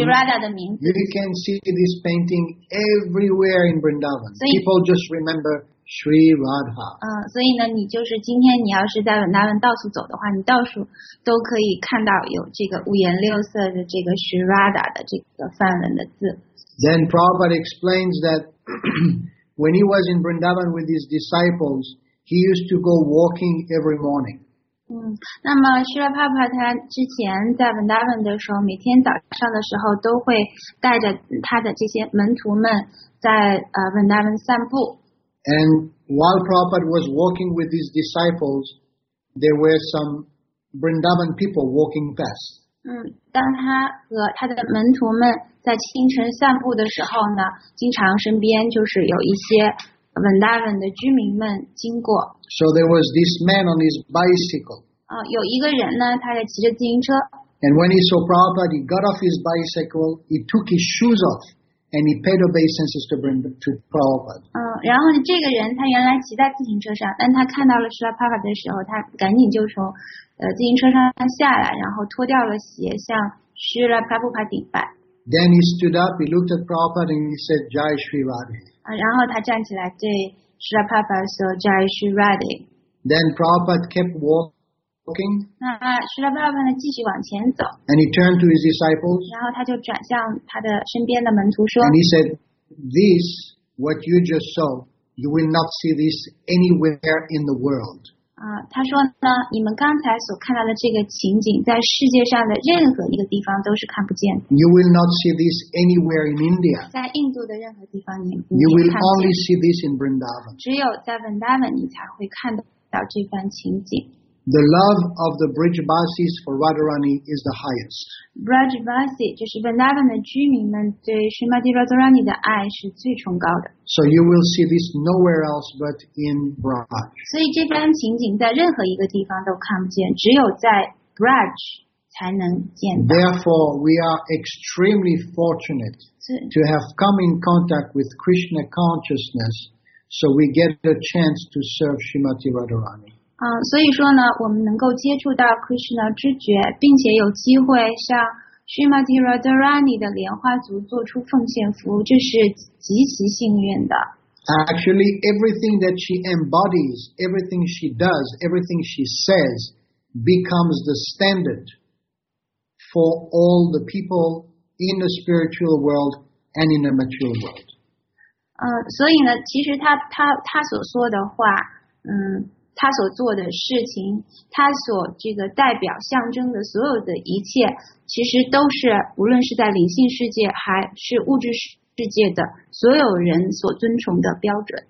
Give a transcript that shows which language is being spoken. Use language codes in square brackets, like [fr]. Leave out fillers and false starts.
[en] you can see this painting everywhere in Vrindavan. People just remember. Sri Radha. [zh] 所以呢，你就是今天你要是在文达文到处走的话，你到处都可以看到有这个五颜六色的这个 Sri Radha 的这个梵文的字。 [en] Then Prabhupada explains that when he was in Vrindavan with his disciples, he used to go walking every morning. [zh] 那么 Sri Prabhupada 他之前在文达文的时候，每天早上的时候都会带着他的这些门徒们在文达文散步。 [en] And while Prabhupada was walking with his disciples, there were some Vrindavan people walking past. [zh] 当他和他的门徒们在清晨散步的时候呢，经常身边就是有一些 Vrindavan 的居民们经过。 [en] So there was this man on his bicycle. [zh] 有一个人呢，他在骑着自行车。 [en] And when he saw Prabhupada, he got off his bicycle, he took his shoes off. And he paid obeisances to bring to Prabhupada. [zh] 然后这个人他原来骑在自行车上，但他看到了 Srila Prabhupada 的时候，他赶紧就从自行车上下来，然后脱掉了鞋，向 Srila Prabhupada 顶拜。 [en] Then he stood up, he looked at Prabhupada, and he said, [hi] "Jai Shri Radhe." [zh] 然后他站起来对 Srila Prabhupada 说 [hi] "Jai Shri Radhe." [en] Then Prabhupada kept walking. [zh] 那 Srila Prabhupada 继续往前走。 [en] And he turned to his disciples. [zh] 然后他就转向他的身边的门徒说。 [en] And he said, "This, what you just saw, you will not see this anywhere in the world." [zh] 他说呢，你们刚才所看到的这个情景，在世界上的任何一个地方都是看不见。 [en] You will not see this anywhere in India. [zh] 在印度的任何地方，你看不见。 [en] You will only see this in Vrindavan. [zh] 只有在 Vrindavan 你才会看到这番情景。 [en] The love of the Brijvasis for Radharani is the highest. [zh] Brijvasi 就是 Vrindavan 的居民们对 Srimati Radharani 的爱是最崇高的。 [en] So you will see this nowhere else but in Braj. [zh] 所以这番情景在任何一个地方都看不见，只有在 Braj 才能见到。 [en] Therefore, we are extremely fortunate to have come in contact with Krishna consciousness, so we get a chance to serve Srimati Radharani. [zh] 所以说呢，我们能够接触到 Krishna 知觉，并且有机会向 Srimati Radharani 的莲花族做出奉献服务，这是极其幸运的。 [en] Actually, everything that she embodies, everything she does, everything she says, becomes the standard for all the people in the spiritual world and in the material world. [zh] 所以呢，其实她所说的话，他所做的事情，他所这个代表象征的所有的一切，其实都是无论是在灵性世界还是物质世界的所有人所尊崇的标准。